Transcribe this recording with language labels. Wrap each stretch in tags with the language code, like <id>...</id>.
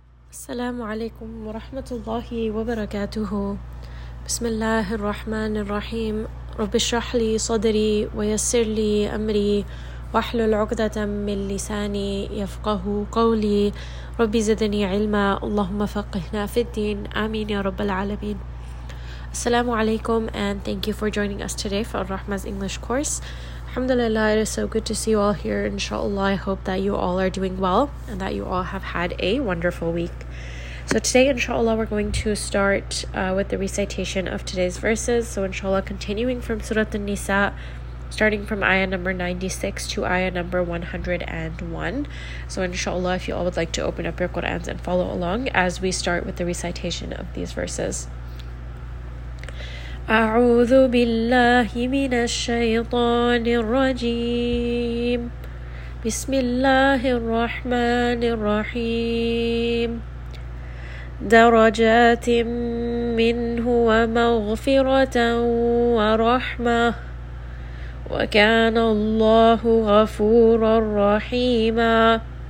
<ar>السلام عليكم ورحمة الله وبركاته. بسم الله الرحمن الرحيم. رب اشرح لي صدري ويسر لي أمري واحلل عقدة من لساني يفقه قولي. ربي زدني علما، اللهم فقهنا في الدين، آمين يا رب العالمين.</ar> <en>السلام عليكم and thank you for joining us today for Rahma's English course. Alhamdulillah, it is so good to see you all here. Inshallah, I hope that you all are doing well and that you all have had a wonderful week. So today, inshallah, we're going to start with the recitation of today's verses. So inshallah, continuing from Surah An-Nisa, starting from ayah number 96 to ayah number 101. So inshallah, if you all would like to open up your Qur'ans and follow along as we start with the recitation of these verses.</en> <ar>أعوذ بالله من الشيطان الرجيم بسم الله الرحمن الرحيم درجات منه ومغفرة ورحمة وكان الله غفورا رحيما</ar>